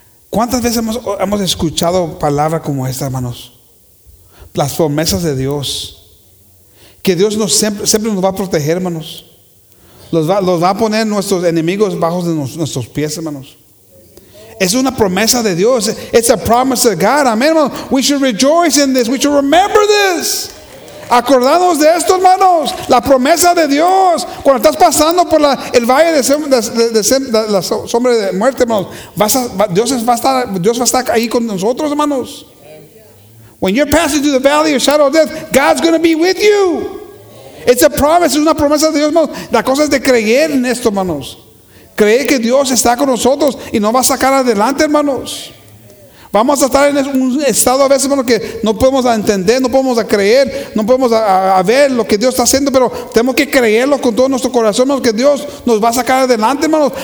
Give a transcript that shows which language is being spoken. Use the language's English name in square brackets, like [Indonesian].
[Spanish] ¿Cuántas veces hemos escuchado palabras como esta, hermanos? las promesas de Dios. Que Dios nos siempre nos va a proteger, hermanos. Los va a poner nuestros enemigos bajo de nuestros pies, hermanos. Es una promesa de Dios. [English] It's a promise of God. [Spanish] Amén, hermanos. [English] We should rejoice in this. We should remember this. [Spanish] Acordarnos de esto, hermanos. La promesa de Dios. Cuando estás pasando por el valle de la sombra de muerte, hermanos, Dios va a estar ahí con nosotros, hermanos. [English] When you're passing through the valley of shadow of death, God's going to be with you. It's a promise. [Spanish] Es una promesa de Dios, hermanos. La cosa es de creer en esto, hermanos. Cree que Dios está con nosotros y nos va a sacar adelante, hermanos. Vamos a estar en un estado a veces, hermanos, que no podemos entender, no podemos creer, no podemos a ver lo que Dios está haciendo, pero tenemos que creerlo con todo nuestro corazón, hermanos, que Dios nos va a sacar adelante, hermanos.